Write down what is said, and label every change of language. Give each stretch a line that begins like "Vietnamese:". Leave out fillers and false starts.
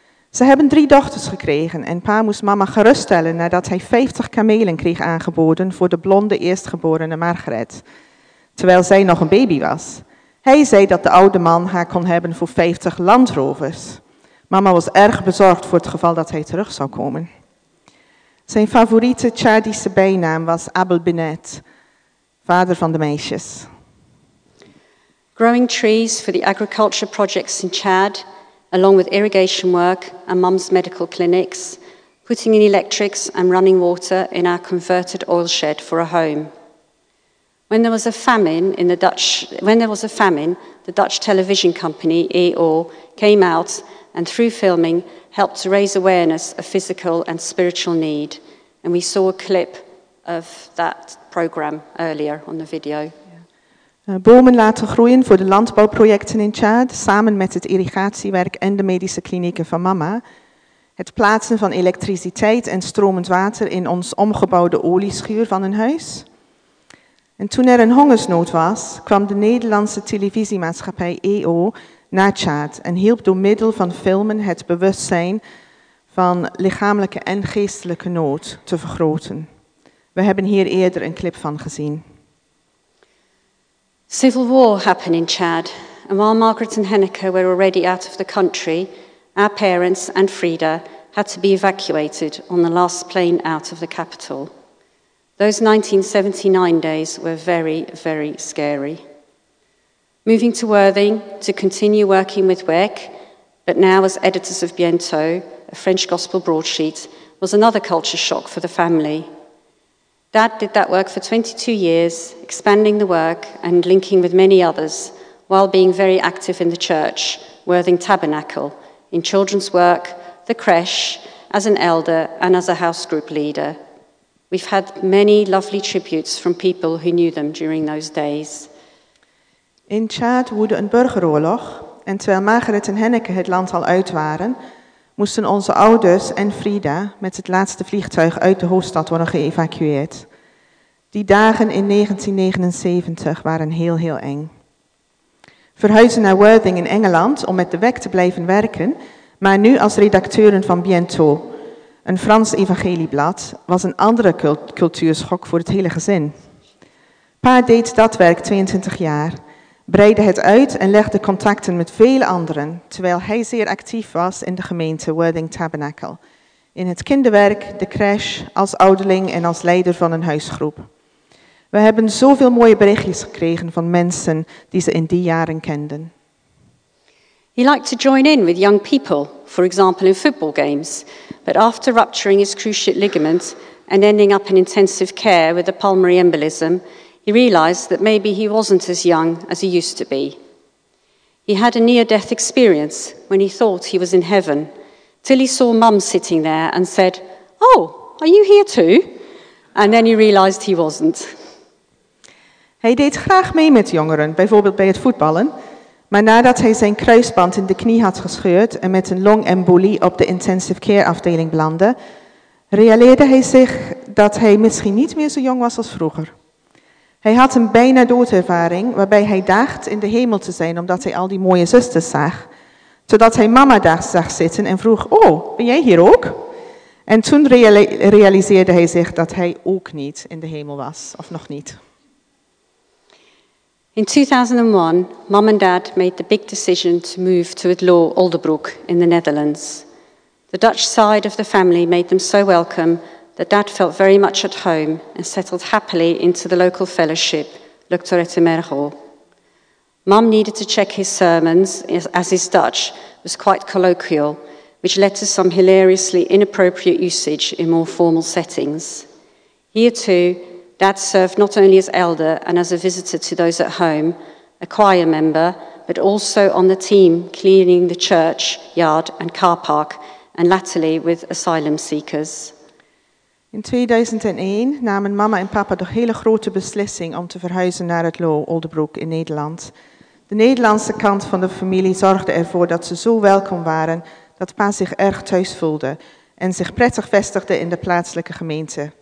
Dutch: Ze hebben 3 dochters gekregen en pa moest mama geruststellen nadat hij 50 kamelen kreeg aangeboden voor de blonde eerstgeborene Margaret, terwijl zij nog een baby was. Hij zei dat de oude man haar kon hebben voor 50 landrovers. Mama was erg bezorgd voor het geval dat hij terug zou komen. Zijn favoriete Chadische bijnaam was Abel Binet, vader van de meisjes.
English: Growing trees for the agriculture projects in Chad, along with irrigation work and mum's medical clinics, putting in electrics and running water in our converted oil shed for a home. When there was a famine in the Dutch, the Dutch television company EO came out and through filming helped to raise awareness of physical and spiritual need. And we saw a clip of that program earlier on the video.
Dutch: Bomen laten groeien voor de landbouwprojecten in Chad, samen met het irrigatiewerk en de medische klinieken van mama. Het plaatsen van elektriciteit en stromend water in ons omgebouwde olieschuur van een huis. En toen er een hongersnood was, kwam de Nederlandse televisiemaatschappij EO naar Tjaad en hielp door middel van filmen het bewustzijn van lichamelijke en geestelijke nood te vergroten. We hebben hier eerder een clip van gezien.
English: Civil war happened in Tjaad, and while Margaret and Henneke were already out of the country, our parents and Frida had to be evacuated on the last plane out of the capital. Those 1979 days were very, very scary. Moving to Worthing to continue working with WEC, but now as editors of Bientôt, a French gospel broadsheet, was another culture shock for the family. Dad did that work for 22 years, expanding the work and linking with many others, while being very active in the church, Worthing Tabernacle, in children's work, the creche, as an elder and as a house group leader. We've had many lovely tributes from people who knew them during those days.
Dutch: In Tjaad woedde een burgeroorlog en terwijl Margaret en Henneke het land al uit waren, moesten onze ouders en Frida met het laatste vliegtuig uit de hoofdstad worden geëvacueerd. Die dagen in 1979 waren heel, heel eng. Verhuizen naar Worthing in Engeland om met de WEC te blijven werken, maar nu als redacteuren van Bientôt, een Frans evangelieblad, was een andere cultuurschok voor het hele gezin. Pa deed dat werk 22 jaar, breidde het uit en legde contacten met vele anderen, terwijl hij zeer actief was in de gemeente Worthing Tabernacle, in het kinderwerk, de crèche, als ouderling en als leider van een huisgroep. We hebben zoveel mooie berichtjes gekregen van mensen die ze in die jaren kenden.
English: He liked to join in with young people, for example in football games, but after rupturing his cruciate ligament and ending up in intensive care with a pulmonary embolism, he realized that maybe he wasn't as young as he used to be. He had a near-death experience when he thought he was in heaven, till he saw Mum sitting there and said, "Oh, are you here too?" And then he realized he wasn't.
Dutch: Hij deed graag mee met jongeren, bijvoorbeeld bij het voetballen. Maar nadat hij zijn kruisband in de knie had gescheurd en met een longembolie op de intensive care afdeling belandde, realiseerde hij zich dat hij misschien niet meer zo jong was als vroeger. Hij had een bijna doodervaring waarbij hij dacht in de hemel te zijn omdat hij al die mooie zusters zag. Totdat hij mama daar zag zitten en vroeg, "Oh, ben jij hier ook?" En toen realiseerde hij zich dat hij ook niet in de hemel was, of nog niet.
English: In 2001, Mum and Dad made the big decision to move to het Loo Oldebroek in the Netherlands. The Dutch side of the family made them so welcome that Dad felt very much at home and settled happily into the local fellowship, Luchter et Emerho. Mum needed to check his sermons, as his Dutch was quite colloquial, which led to some hilariously inappropriate usage in more formal settings. Here too, Dad served not only as elder and as a visitor to those at home, a choir member, but also on the team cleaning the church, yard and car park, and latterly with asylum seekers.
Dutch: In 2001 namen mama en papa de hele grote beslissing om te verhuizen naar het Loo Oldebroek in Nederland. De Nederlandse kant van de familie zorgde ervoor dat ze zo welkom waren dat pa zich erg thuis voelde en zich prettig vestigde in de plaatselijke gemeente.